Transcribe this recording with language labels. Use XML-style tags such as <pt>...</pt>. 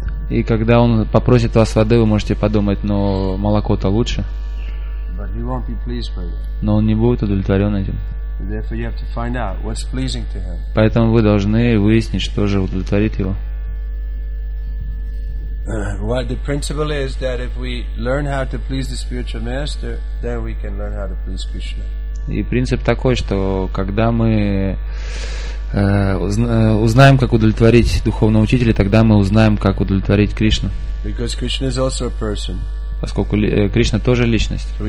<ru>И когда он попросит вас воды, вы можете подумать, но молоко-то лучше.</ru> <en>But he won't be pleased by you.</en> <ru>Но он не будет удовлетворен этим.</ru> <en>Therefore, you have to find out what's pleasing to him.</en> <ru>Поэтому вы должны выяснить, что же удовлетворит его.</ru> <en>What the principle is that if we learn how to please the spiritual master, then we can learn how to please Krishna.</en> <ru>И принцип такой, что когда мы узнаем, как удовлетворить духовного учителя, тогда мы узнаем, как удовлетворить Кришну.</ru> <en>Because Krishna is also a person.</en> <ru>Поскольку Кришна тоже личность.</ru>